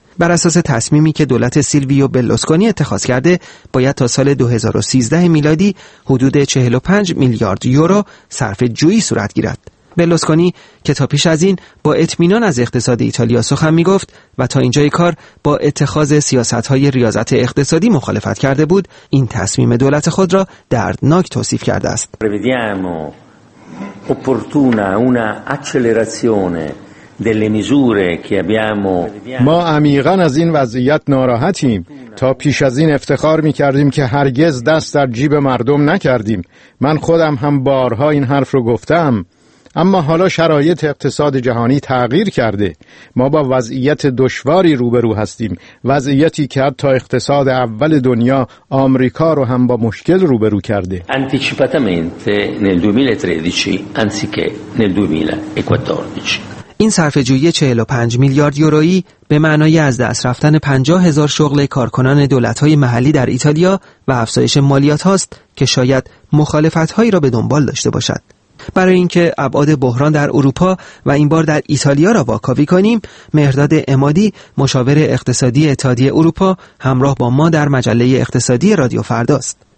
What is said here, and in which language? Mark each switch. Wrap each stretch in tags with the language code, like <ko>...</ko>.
<fa>بر اساس تصمیمی که دولت سیلویو بلوسکونی اتخاذ کرده، باید تا سال 2013 میلادی حدود 45 میلیارد یورو صرف جویی صورت گیرد. بلوسکونی که تا پیش از این با اطمینان از اقتصاد ایتالیا سخن میگفت و تا اینجای کار با اتخاذ سیاست‌های ریاضت اقتصادی مخالفت کرده بود، این تصمیم دولت خود را دردناک توصیف کرده است.</fa> <it>Prevediamo opportuna una accelerazione delle misure che abbiamo.</it> <fa>ما عمیقا از این وضعیت ناراحتیم. تا پیش از این افتخار می‌کردیم که هرگز دست در جیب مردم نکردیم. من خودم هم بارها این حرف رو گفتم. اما حالا شرایط اقتصاد جهانی تغییر کرده. ما با وضعیت دشواری روبرو هستیم، وضعیتی که حتی اقتصاد اول دنیا آمریکا رو هم با مشکل روبرو کرده.</fa> <it>Anticipatamente nel 2013 anziché nel 2014.</it> <fa>این صرف جویی 45 میلیارد یورویی به معنای از دست رفتن 50 هزار شغل کارکنان دولت‌های محلی در ایتالیا و افزایش مالیات هاست که شاید مخالفت‌هایی را به دنبال داشته باشد. برای اینکه ابعاد بحران در اروپا و این بار در ایتالیا را واکاوی کنیم، مهرداد عمادی مشاور اقتصادی اتحادیه اروپا همراه با ما در مجله اقتصادی رادیو فردا است.</fa>